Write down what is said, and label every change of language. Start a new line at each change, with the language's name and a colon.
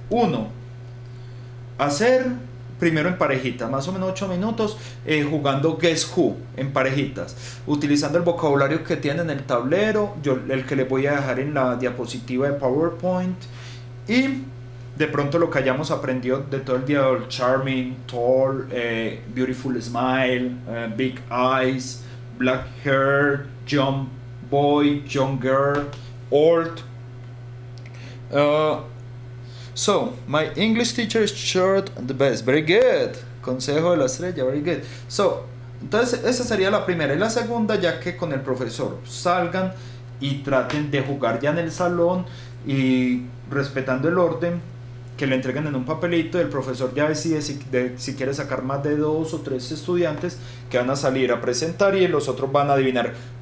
Spanish: Uno, hacer primero en parejita, más o menos 8 minutos, jugando Guess Who en parejitas, utilizando el vocabulario que tienen en el tablero, yo el que les voy a dejar en la diapositiva de PowerPoint, y de pronto lo que hayamos aprendido de todo el día, el
English: charming, tall, beautiful smile, big eyes, black hair, young boy, young girl, old. So, my English teacher is short the best. Very good.
Spanish: Consejo de la estrella,
English: very good. So,
Spanish: entonces esa sería la primera. Y la segunda, ya que con el profesor salgan y traten de jugar ya en el salón y respetando el orden, que le entreguen en un papelito, el profesor ya decide si quiere sacar más de 2 o 3 estudiantes que van a salir a presentar y los otros van a adivinar.